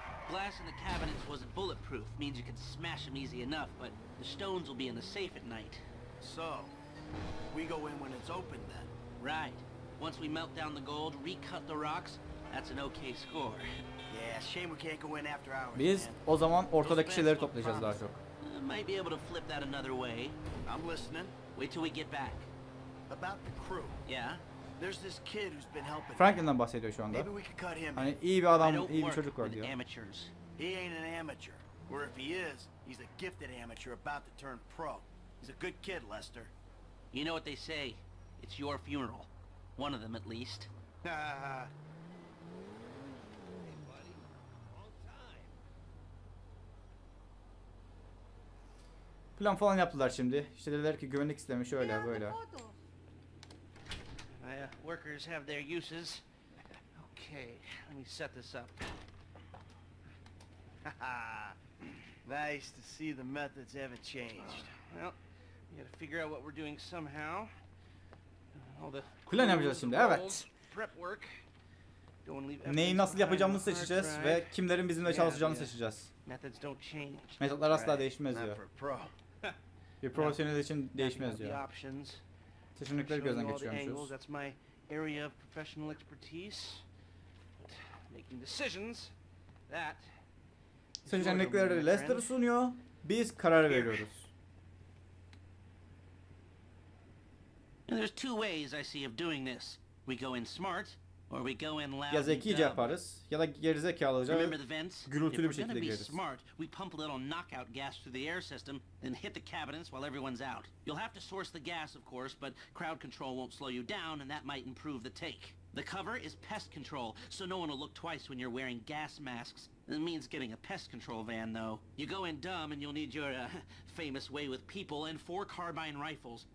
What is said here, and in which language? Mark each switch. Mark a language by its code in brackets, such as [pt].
[en] Glass in the cabinets wasn't bulletproof, means you can smash them easy enough, but the stones will be in the safe at night. So, we go in when it's open then? Right. Once we melt down the gold, recut the rocks, that's an okay score. Yeah, shame we can't go in after hours. [tr] Biz o zaman ortadaki şeyleri toplayacağız daha çok. [en] Might be able to flip that another way. I'm listening. Wait till we get back. About the crew. Yeah? There's this kid who's been helping. [tr] Franklin'dan bahsediyor şu anda. [en] Maybe we could cut him. [tr] Hani iyi bir adam, iyi bir çocuk var diyor. [en] Amateurs. He ain't an amateur. Or if he is, he's a gifted amateur about to turn pro. He's a good kid, Lester. You know what they say? It's your funeral. One of them at least. Hey buddy. Long time. [tr] Plan falan yaptılar şimdi. İşte dediler ki güvenlik sistemi şöyle böyle. [en] Workers have their uses. Okay, let me set this up. Nice to see the methods haven't changed. Well, we gotta figure out what we're doing somehow. All the [tr] plan yapacağız şimdi. Evet. [en] Prep work. [tr] Neyi nasıl yapacağımızı seçeceğiz ve kimlerin bizimle çalışacağını seçeceğiz. [en] Methods don't change. [tr] Metotlar asla değişmez diyor. [en] Pro. [tr] Bir profesyonel için değişmez diyor. Seçenekleri gözden geçiriyormuşuz. [en] That's my area of professional expertise. But making decisions, that. [tr] Seçenekleri Lester sunuyor. Biz karar veriyoruz. [en] There's two ways I see of doing this. We go in smart, Or we go in loud. [tr] Ya zekice yaparız ya da gerizekalı olacağız. Gürültülü bir şekilde gireriz. [en] Smart, we pump a little knockout gas through the air system then hit the cabinets while everyone's out. You'll have to source the gas of course, but crowd control won't slow you down and that might improve the take. The cover is pest control, so no one will look twice when you're wearing gas masks. It means getting a pest control van though. You go in dumb and you'll need your famous way with people and four carbine rifles.